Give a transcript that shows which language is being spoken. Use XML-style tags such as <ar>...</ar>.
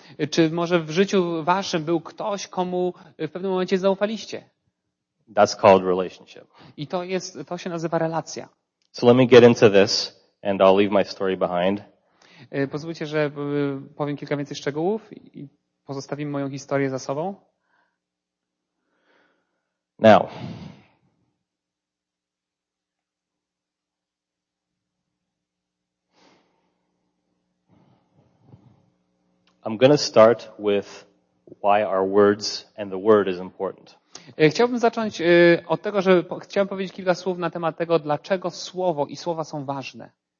<pl>Czy może w życiu waszym był ktoś, komu w pewnym momencie zaufaliście?</pl> <en>That's called relationship.</en> <pl>I to jest, to się nazywa relacja.</pl> <en>So let me get into this and I'll leave my story behind.</en> <pl>Pozwólcie, że powiem kilka więcej szczegółów i pozostawimy moją historię za sobą.</pl> <en>Now. I'm going to start with why our words and the word is important.</en> <pl>Chciałbym zacząć od tego, że chciałem powiedzieć kilka słów na temat tego, dlaczego słowo i słowa są ważne.</pl>